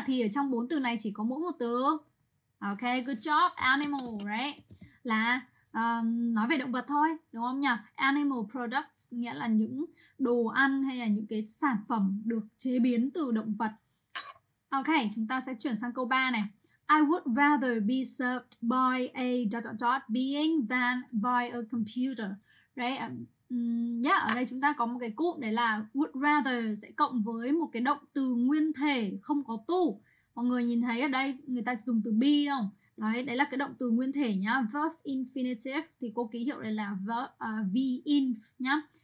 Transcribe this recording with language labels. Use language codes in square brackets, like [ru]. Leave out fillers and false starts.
[vi] Thì ở trong bốn từ này chỉ có mỗi một từ. [en] Ok, good job, animal, right? [vi] Là nói về động vật thôi, đúng không nhỉ? Animal products nghĩa là những đồ ăn hay là những cái sản phẩm được chế biến từ động vật. Ok, chúng ta sẽ chuyển sang câu 3 này. [en] I would rather be served by a dot dot dot being than by a computer, right? [vi] Yeah, ở đây chúng ta có một cái cụm đấy là would rather sẽ cộng với một cái động từ nguyên thể không có to. Mọi người nhìn thấy ở đây người ta dùng từ be không? Đấy, đấy là cái động từ nguyên thể nhá. Verb infinitive thì cô ký hiệu đây là verb v-inf nhá.